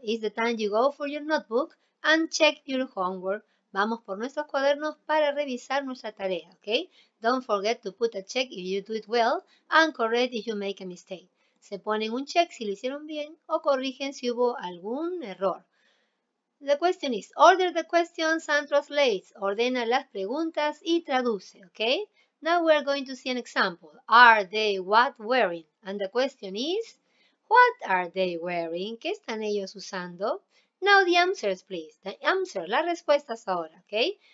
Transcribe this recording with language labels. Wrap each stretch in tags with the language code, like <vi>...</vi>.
<en>It's the time you go for your notebook and check your homework.</en> <es>Vamos por nuestros cuadernos para revisar nuestra tarea, ¿ok?</es> <en>Don't forget to put a check if you do it well and correct if you make a mistake.</en> <es>Se ponen un check si lo hicieron bien o corrigen si hubo algún error.</es> <en>The question is, order the questions and translate.</en> <es>Ordena las preguntas y traduce, ¿ok?</es> <en>Now we are going to see an example. Are they what wearing? And the question is, what are they wearing?</en> <es>¿Qué están ellos usando?</es> <en>Now the answers, please. The answer,</en> <es>las respuestas ahora, ¿ok?</es>